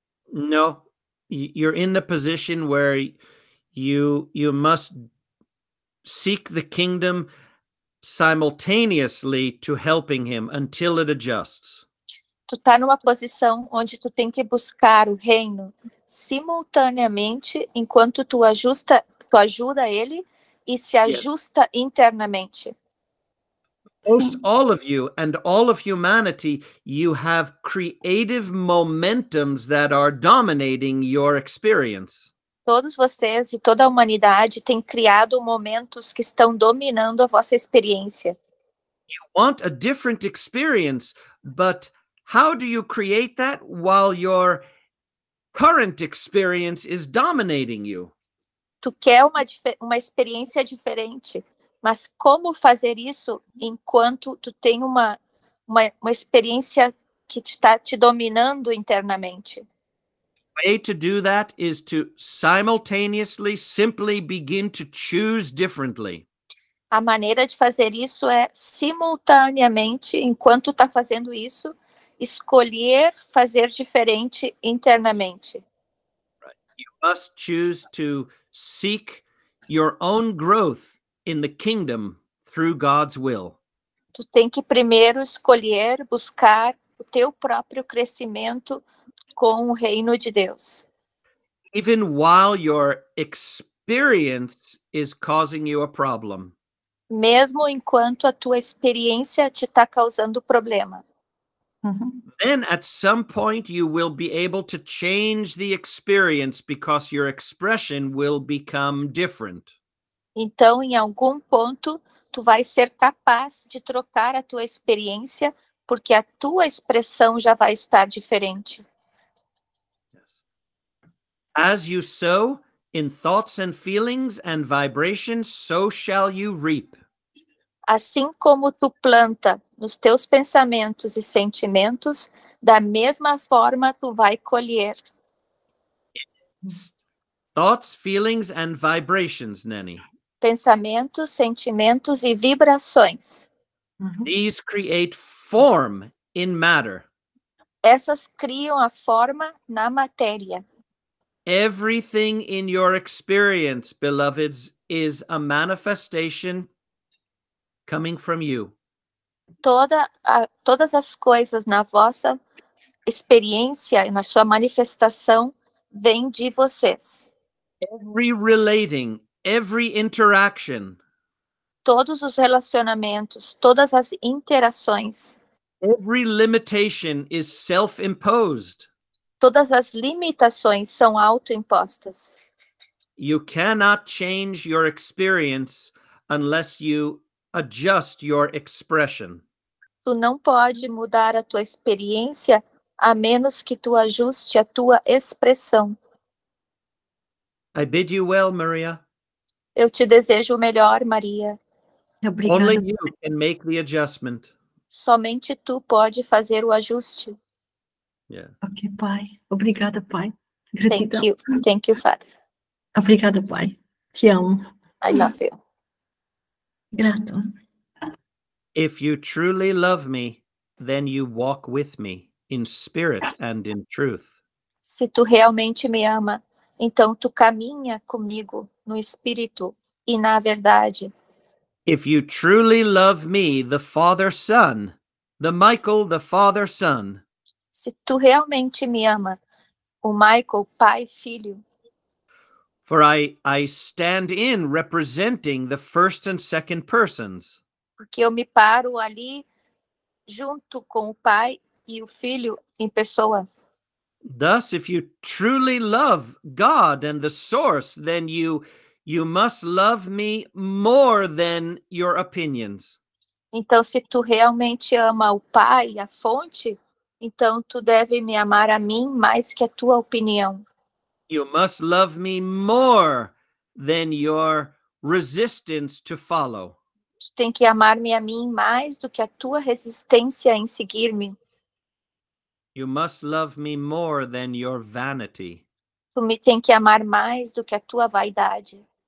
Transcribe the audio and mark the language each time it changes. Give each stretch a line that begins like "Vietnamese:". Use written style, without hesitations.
English: No, you're in the position where you must seek the kingdom simultaneously to helping him until it adjusts.
Portuguese: Tu tá numa posição onde tu tem que buscar o reino simultaneamente enquanto tu ajuda ele e se ajusta internamente.
English: Most all of you and all of humanity, you have creative momentums that are dominating your experience.
Portuguese: Todos vocês e toda a humanidade têm criado momentos que estão dominando a vossa experiência.
English: You want a different experience, but how do you create that while your current experience is dominating you?
Portuguese: Tu quer uma experiência diferente. Mas como fazer isso enquanto tu tem uma experiência que está te dominando internamente?
English: The way to do that is to simultaneously simply begin to choose differently.
Portuguese: A maneira de fazer isso é simultaneamente, enquanto está fazendo isso, escolher fazer diferente internamente.
English: Right. You must choose to seek your own growth in the kingdom through God's will.
Portuguese: Tu tem que primeiro escolher buscar o teu próprio crescimento com o reino de Deus.
English: Even while your experience is causing you a problem.
Portuguese: Mesmo enquanto a tua experiência te está causando problema.
English: Then at some point you will be able to change the experience because your expression will become different.
Portuguese: Então, em algum ponto, tu vai ser capaz de trocar a tua experiência, porque a tua expressão já vai estar diferente.
English: Yes. As you sow in thoughts and feelings and vibrations, so shall you reap.
Portuguese: Assim como tu planta nos teus pensamentos e sentimentos, da mesma forma tu vai colher.
English: Thoughts, feelings and vibrations, Nanny.
Portuguese: Pensamentos, sentimentos e vibrações.
English: These create form in matter.
Portuguese: Essas criam a forma na matéria.
English: Everything in your experience, beloveds, is a manifestation coming from you.
Portuguese: Todas as coisas na vossa experiência, na sua manifestação, vêm de vocês.
English: Every relating, every interaction.
Portuguese: Todos os relacionamentos, todas as interações.
English: Every limitation is self-imposed.
Portuguese: Todas as limitações são autoimpostas.
English: You cannot change your experience unless you adjust your expression.
Portuguese: Tu não pode mudar a tua experiência a menos que tu ajuste a tua expressão.
English: I bid you well, Maria.
Portuguese: Eu te desejo o melhor, Maria. Obrigada.
English: Only you can make the adjustment.
Portuguese: Somente tu pode fazer o ajuste.
English: Yeah.
Portuguese: Ok, pai. Obrigada, pai. Gratidão.
English: Thank you, Father.
Portuguese: Obrigada, pai. Te amo.
English: I love you.
Portuguese: Grato.
English: If you truly love me, then you walk with me in spirit and in truth.
Portuguese: Se tu realmente me ama, então tu caminha comigo no espírito e na verdade.
English: If you truly love me, the Father, Son, the Michael, the Father, Son.
Portuguese: Se tu realmente me ama, o Michael, pai, filho.
English: For I stand in representing the first and second persons.
Portuguese: Porque eu me paro ali junto com o pai e o filho em pessoa.
English: Thus, if you truly love God and the source, then you must love me more than your opinions.
Portuguese: Então, se tu realmente ama o pai e a fonte, então tu deve me amar a mim mais que a tua opinião.
English: You must love me more than your resistance to follow.
Portuguese: Tu tem que amar-me a mim mais do que a tua resistência em seguir-me.
English: You must love me more than your vanity.
Portuguese: Tu me tem que amar mais do que a tua vaidade.